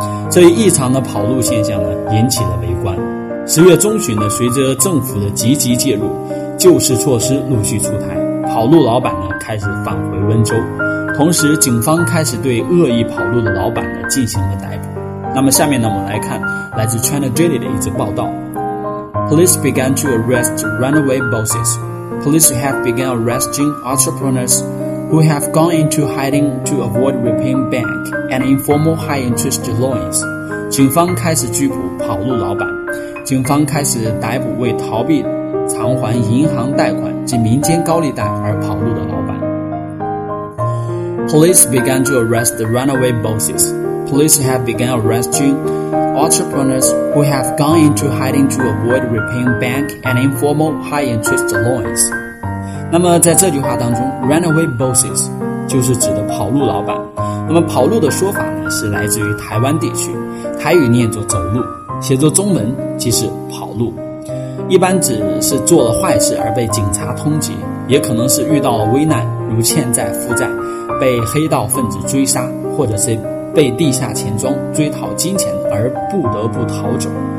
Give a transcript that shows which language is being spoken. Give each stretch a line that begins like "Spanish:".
Chinese: 这一异常的跑路现象呢引起了围观。十月中旬呢，随着政府的积极介入，救市措施陆续出台，跑路老板呢开始返回温州。同时警方开始对恶意跑路的老板呢进行了逮捕。那么下面呢，我们来看来自 China Daily 的一则报道。
English: Police began to arrest runaway bosses. Police have begun arresting entrepreneurs who have gone into hiding to avoid repaying bank and informal high interest loans.
Chinese: 警方开始拘捕跑路老板，警方开始逮捕为逃避偿还银行贷款及民间高利贷而跑路的老板。
English: Police began to arrest the runaway bosses. Police have begun arresting entrepreneurs who have gone into hiding to avoid repaying bank and informal high interest loans.
Chinese: 那么在这句话当中，
English: runaway bosses
Chinese: 就是指的跑路老板。那么跑路的说法呢，是来自于台湾地区，台语念作走路，写作中文即是跑路。一般指是做了坏事而被警察通缉，也可能是遇到了危难，如欠债负债，被黑道分子追杀，或者是被地下钱庄追讨金钱而不得不逃走。